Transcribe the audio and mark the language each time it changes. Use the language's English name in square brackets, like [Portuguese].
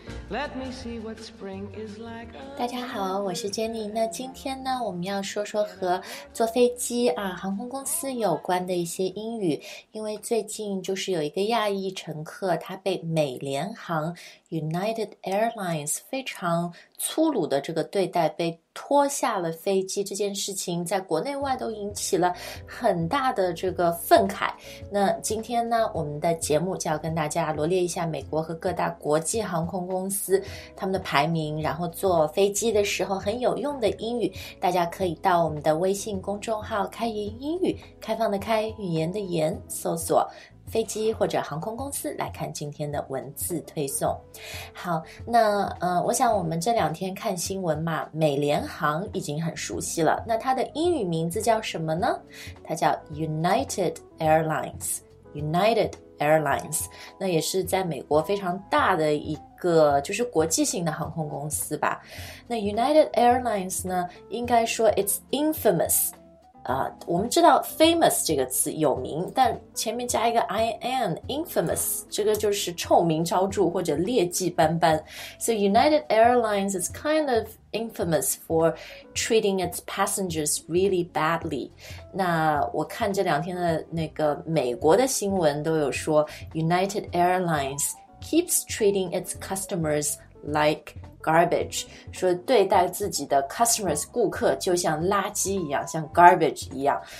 [English] Let me see what spring is like. [Chinese] 大家好，我是 Jenny。那今天呢，我们要说说和坐飞机啊，航空公司有关的一些英语。因为最近就是有一个亚裔乘客，他被美联航 United Airlines 非常粗鲁的这个对待，被拖下了飞机，这件事情在国内外都引起了很大的这个愤慨。那今天呢，我们的节目就要跟大家罗列一下美国和各大国际航空公司他们的排名，然后坐飞机的时候很有用的英语。大家可以到我们的微信公众号开言英语，开放的开，语言的言，搜索飞机或者航空公司，来看今天的文字推送。好，那我想我们这两天看新闻嘛，美联航已经很熟悉了。那它的英语名字叫什么呢？它叫 United Airlines， United Airlines， 那也是在美国非常大的一个就是国际性的航空公司吧。那 United Airlines 呢，应该说 [English] it's infamous。 [Chinese] 我们知道 famous 这个词有名，但前面加一个 IN infamous， 这个就是臭名昭著或者劣迹斑斑。 [English] So United Airlines is kind of infamous for treating its passengers really badly。 [Chinese] 那我看这两天的那个美国的新闻都有说 [English] United Airlines keeps treating its customers like garbage， [Chinese] 说对待自己的 customers 顾客就像垃圾一样，像 garbage 一样。